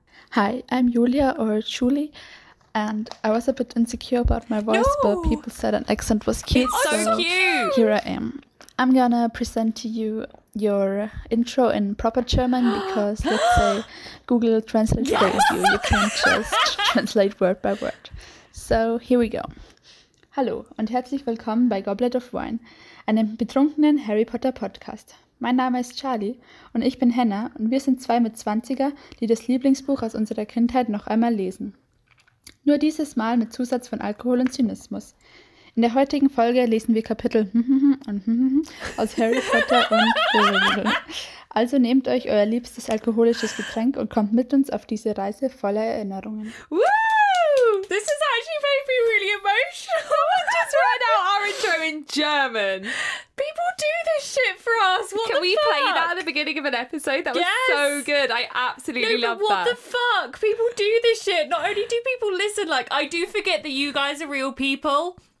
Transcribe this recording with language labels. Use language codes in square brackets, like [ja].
[en] Hi, I'm Julia, or Julie, and I was a bit insecure about my voice, no! But people said an accent was cute. It's so cute! Here I am. I'm gonna present to you your intro in proper German because, let's say, Google Translate for you. You can't just translate word by word. So, here we go. [de] Hallo und herzlich willkommen bei Goblet of Wine, einem betrunkenen Harry Potter Podcast. Mein Name ist Charlie und ich bin Hannah und wir sind zwei mit 20er, die das Lieblingsbuch aus unserer Kindheit noch einmal lesen. Nur dieses Mal mit Zusatz von Alkohol und Zynismus. In der heutigen Folge lesen wir Kapitel und aus Harry Potter und also nehmt euch euer liebstes alkoholisches Getränk und kommt mit uns auf diese Reise voller Erinnerungen. [en] Woo! This is actually making me really emotional. I just read out our intro in German. People do this shit for us. What can the we fuck? Play that at the beginning of an episode? That was so good. I absolutely love what What the fuck? People do this shit. Not only do people listen, like, I do forget that you guys are real people.